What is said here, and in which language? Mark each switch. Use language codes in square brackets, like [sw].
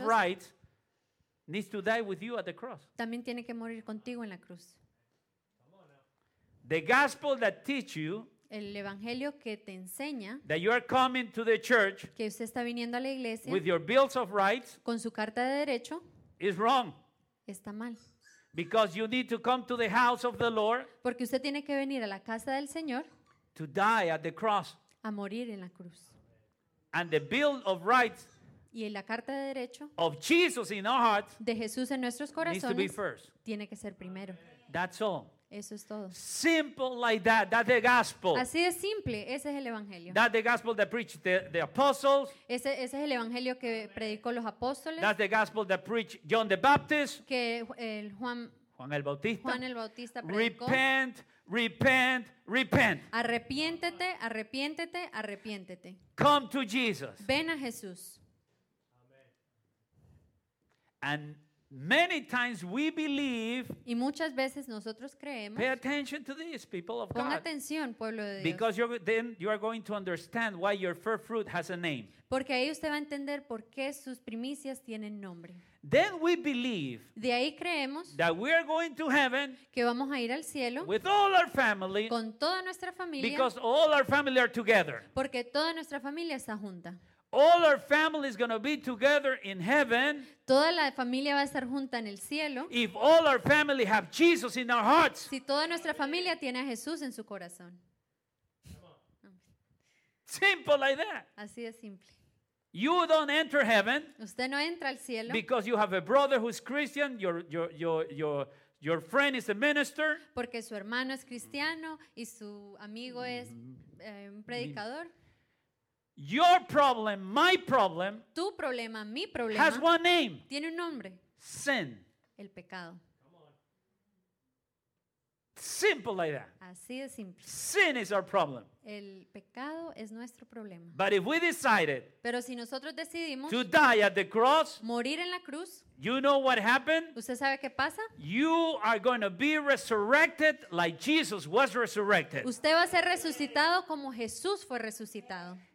[en] of rights needs to die with you at the cross. [es] También tiene que morir contigo en la cruz. [en] The gospel that teach you, [es] el evangelio que te enseña, [en] that you are coming to the church, [es] que usted está viniendo a la iglesia, [en] with your bills of rights, [es] con su carta de derecho, [en] is wrong. [es] Está mal. [en] Because you need to come to the house of the Lord, [es] porque usted tiene que venir a la casa del Señor, [en] to die at the cross. [es] A morir en la cruz. [en] And the bill of rights, [es] y la carta de derecho, [en] of Jesus in our hearts, [es] de Jesús en nuestros corazones, [en] needs to be first. [es] Tiene que ser primero. [en] That's all. [es] Eso es todo. [en] Simple like that. That's the gospel. [es] Así de simple. Ese es el evangelio. [en] That's the gospel that preached the apostles. [es] Ese es el evangelio que predicó los apóstoles. [en] That's the gospel that preached John the Baptist. [es] Que el Juan el Bautista. Juan el Bautista predicó. [en] Repent. Repent, repent. [es] Arrepiéntete, arrepiéntete, arrepiéntete. [en] Come to Jesus. [es] Ven a Jesús. [en] And many times we believe. [es] Y muchas veces nosotros creemos. [en] Pay attention to this, people of God. [es] Pon atención, pueblo de Dios. [en] Because then you are going to understand why your first fruit has a name. [es] Porque ahí usted va a entender por qué sus primicias tienen nombre. [en] Then we believe, [es] de ahí creemos, [en] that we are going to heaven, [es] que vamos a ir al cielo, [en] with all our family, [es] con toda nuestra familia, [en] because all our family are together, [es] porque toda nuestra familia está junta. [en] All our family is going to be together in heaven. [es] Toda la familia va a estar junta en el cielo. [en] If all our family have Jesus in our hearts, [es] si toda nuestra familia tiene a Jesús en su corazón. [en] Simple like that. [es] Así de simple. [en] You don't enter heaven. [es] Usted no entra al cielo. [en] Because you have a brother who is Christian, your friend is a minister. [es] Porque su hermano es cristiano y su amigo es un predicador. [en] Your problem, my problem. [es] Tu problema, mi problema. [en] Has one name. [es] Tiene un nombre. [en] Sin. [es] El pecado. [en] Simple like that. [es] Así de simple. [en] Sin is our problem. [es] El pecado es nuestro problema. [en] But if we decided, [es] pero si nosotros decidimos, [en] to die at the cross, [es] morir en la cruz, [en] you know what happened? [es] ¿Usted sabe qué pasa? [en] You are going to be resurrected like Jesus was resurrected. [es] Usted va a ser resucitado como Jesús fue resucitado.